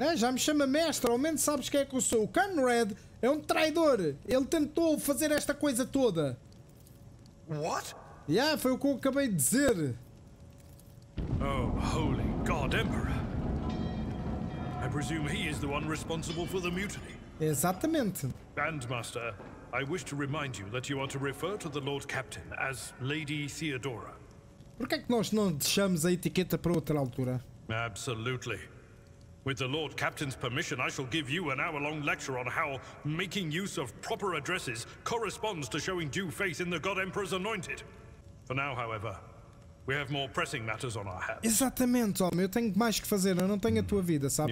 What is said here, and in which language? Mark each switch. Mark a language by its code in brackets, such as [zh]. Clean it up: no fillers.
[pt] É, já me chama mestre, ao menos sabes quem é que eu sou. O Conrad é um traidor! Ele tentou fazer esta coisa toda! [en] What? [pt] Yeah, foi o que eu acabei de dizer! [en] Oh, holy God, Emperor! I presume he is the one responsible for the mutiny. [pt] Exatamente. [en] Bandmaster, I wish to remind you that you are to refer to the Lord Captain as Lady Theodora. [pt] Porquê é que nós não deixamos a etiqueta para outra altura? [en] Absolutely. With the Lord Captain's permission, I shall give you an hour-long lecture on how making use of proper addresses corresponds to showing due faith in the God Emperor's anointed. For now, however, we have more pressing matters on our hands. [pt] Exatamente, homem. Eu tenho mais que fazer. Eu não tenho a tua vida, sabes?